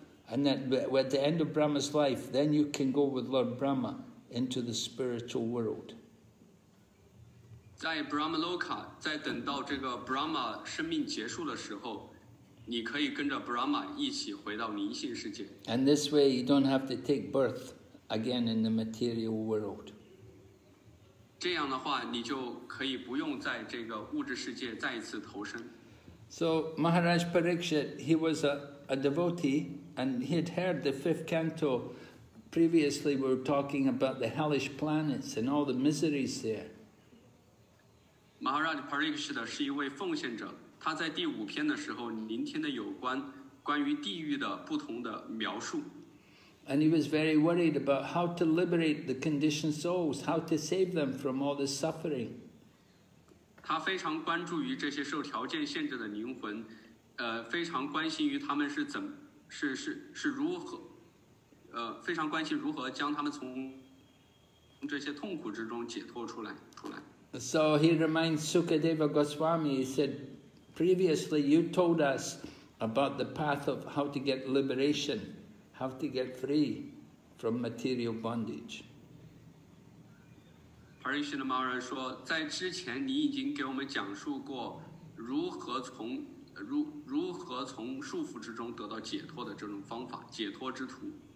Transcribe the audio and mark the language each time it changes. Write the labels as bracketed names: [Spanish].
[English] And then, at the end of Brahma's life, then you can go with Lord Brahma into the spiritual world. [Chinese] 在 Brahmaloka, 在等到这个 Brahma 生命结束的时候，你可以跟着 Brahma 一起回到灵性世界。 [English] And this way, you don't have to take birth. Again, in the material world. [Chinese] 这样的话，你就可以不用在这个物质世界再一次投生。 [English] So Maharaj Parikshit, he was a devotee, and he had heard the fifth canto. Previously, we were talking about the hellish planets and all the miseries there. [Chinese] Maharaj Parikshit 是一位奉献者，他在第五篇的时候聆听的有关于地狱的不同的描述。 [English] And he was very worried about how to liberate the conditioned souls, how to save them from all this suffering. [Chinese] 他非常关注于这些受条件限制的灵魂，非常关心于他们是怎是是是如何，非常关心如何将他们从这些痛苦之中解脱出来。 [English] So he reminds Sukadeva Goswami. He said, "Previously, you told us about the path of how to get liberation." Have to get free from material bondage. [Chinese] Parikshit Maharaj 说，在之前你已经给我们讲述过如何从束缚之中得到解脱的这种方法，解脱之途。